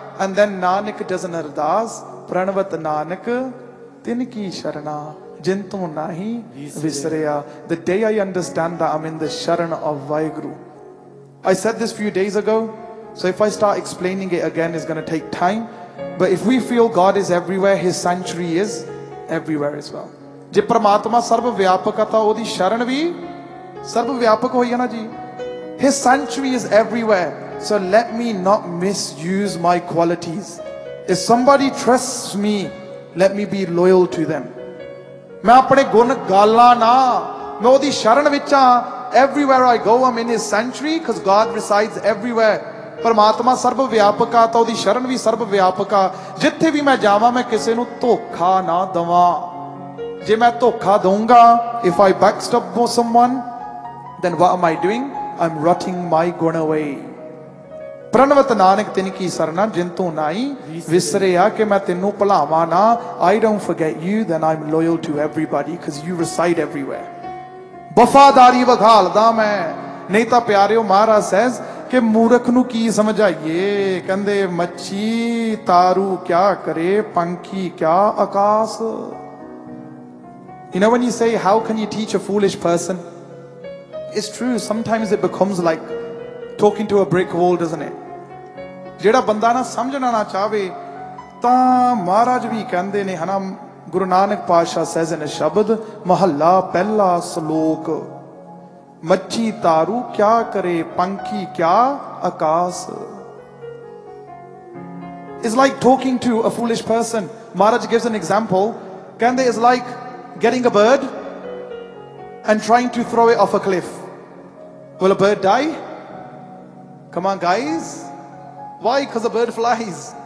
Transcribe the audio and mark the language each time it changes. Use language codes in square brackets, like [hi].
[en] And then Nanak does an ardas, [pa] pranavat Nanak tin ki sharana, jinto nahi visreya. [en] The day I understand that I'm in the sharan of Vaheguru. I said this few days ago, So if I start explaining it again, it's going to take time. But if we feel God is everywhere, His sanctuary is everywhere as well. [pa] ਜੇ ਪਰਮਾਤਮਾ ਸਰਵ ਵਿਆਪਕ ਆ ਤਾਂ ਉਹਦੀ ਸ਼ਰਨ ਵੀ ਸਰਵ ਵਿਆਪਕ ਹੋਈ ਹੈ ਨਾ ਜੀ [en] His sanctuary is everywhere. So let me not misuse my qualities. If somebody trusts me, let me be loyal to them. [pa] ਮੈਂ ਆਪਣੇ ਗੁਣ ਗਾਲਾਂ ਨਾ ਮੈਂ ਉਹਦੀ ਸ਼ਰਨ ਵਿੱਚ ਆ [en] Everywhere I go, I'm in His sanctuary because God resides everywhere. [pa] ਪਰਮਾਤਮਾ ਸਰਵ ਵਿਆਪਕ ਆ ਤਾਂ ਉਹਦੀ ਸ਼ਰਨ ਵੀ ਸਰਵ ਵਿਆਪਕ ਆ ਜਿੱਥੇ ਵੀ ਮੈਂ ਜਾਵਾਂ ਮੈਂ ਕਿਸੇ ਨੂੰ ਧੋਖਾ ਨਾ ਦਵਾਂ ਜੇ ਮੈਂ ਧੋਖਾ ਦਊਂਗਾ [en] if I backstab someone then what am I doing I'm rotting my gun away [pa] ਪ੍ਰਣਵਤ Nanak ਤਿਨ ਕੀ ਸਰਨਾ ਜਿਨ ਤੂੰ ਨਾਈ ਵਿਸਰਿਆ ਕਿ ਮੈਂ ਤੈਨੂੰ ਭੁਲਾਵਾਂ ਨਾ [en] I don't forget you then I'm loyal to everybody because you reside everywhere [pa] ਵਫਾਦਾਰੀ ਵਿਖਾਲਦਾ ਮੈਂ ਨਹੀਂ ਤਾਂ ਪਿਆਰਿਓ ਮਹਾਰਾਜ ਸਹਿਜ ਕਿ ਮੂਰਖ ਨੂੰ ਕੀ ਸਮਝਾਈਏ ਕਹਿੰਦੇ ਮੱਛੀ ਤਾਰੂ ਕਿਆ ਕਰੇ ਪੰਖੀ ਕਿਆ ਆਕਾਸ਼ [en] You know when you say, how can you teach a foolish person? It's true, sometimes it becomes like talking to a brick wall, doesn't it? [pa] ਜਿਹੜਾ ਬੰਦਾ ਨਾ ਸਮਝਣਾ ਨਾ ਚਾਹੇ ਤਾਂ ਮਹਾਰਾਜ ਵੀ ਕਹਿੰਦੇ ਨੇ ਹਨਾ ਗੁਰੂ ਨਾਨਕ ਪਾਤਸ਼ਾਹ ਸਹਿਜ ਨੇ ਸ਼ਬਦ ਮਹੱਲਾ ਪਹਿਲਾ ਸਲੋਕ ਮੱਛੀ ਤਾਰੂ ਕਿਆ ਕਰੇ ਪੰਖੀ ਕਿਆ ਆਕਾਸ਼ [en] It's like talking to a foolish person. Maharaj gives an example. Kande is like getting a bird and trying to throw it off a cliff. Will a bird die? Come on guys. Why? Because a bird flies.